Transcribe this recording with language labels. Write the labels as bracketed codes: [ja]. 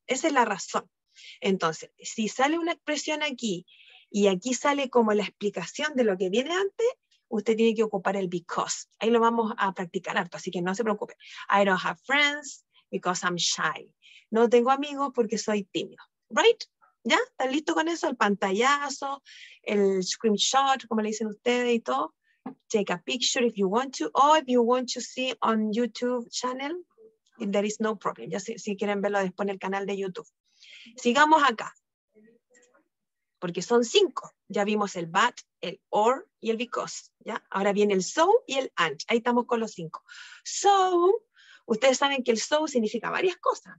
[es] Esa es la razón. Entonces, si sale una expresión aquí y aquí sale como la explicación de lo que viene antes, usted tiene que ocupar el because. Ahí lo vamos a practicar harto, así que no se preocupe. [en] I don't have friends because I'm shy. [es] No tengo amigos porque soy tímido. [en] Right? ¿Ya? [es] ¿Están listos con eso? El pantallazo, el screenshot, como le dicen ustedes y todo. [en] Take a picture if you want to. Or if you want to see on YouTube channel, there is no problem. [es] Ya si quieren verlo después en el canal de YouTube. Sigamos acá. Porque son 5. Ya vimos el but, el or y el because. ¿Ya? Ahora viene el so y el and. Ahí estamos con los 5. So, ustedes saben que el so significa varias cosas.